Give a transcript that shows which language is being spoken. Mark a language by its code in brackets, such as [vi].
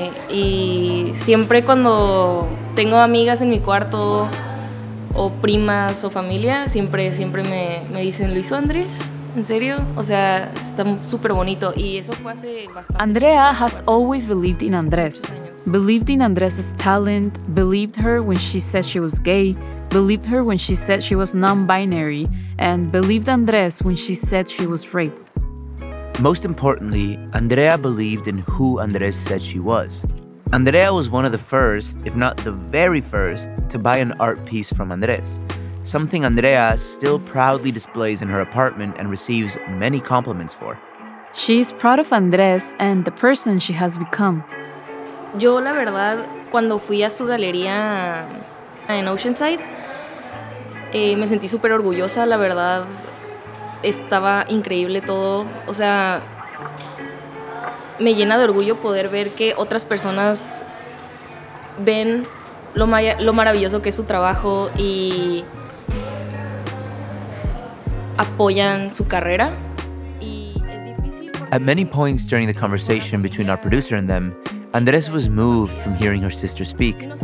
[es] Y siempre cuando tengo amigas en mi cuarto, o primas o familia, siempre me dicen, ¿lo hizo Andrés? ¿En serio? O sea, está súper bonito. Y eso fue hace bastante. [en] Andrea has always believed in Andrés. Believed in Andrés's talent, believed her when she said she was gay, believed her when she said she was non-binary, and believed Andrés when she said she was raped. Most importantly, Andrea believed in who Andrés said she was. Andrea was one of the first, if not the very first, to buy an art piece from Andrés, something Andrea still proudly displays in her apartment and receives many compliments for. She is proud of Andrés and the person she has become. [es] Yo, la verdad, cuando fui a su galería en Oceanside, me sentí súper orgullosa, la verdad. Estaba increíble todo. O sea, me llena de orgullo poder ver que otras personas ven lo maravilloso que es su trabajo y apoyan su carrera. Y es difícil. [en] At many points during the conversation between our producer and them, Andrés was moved from hearing her sister speak.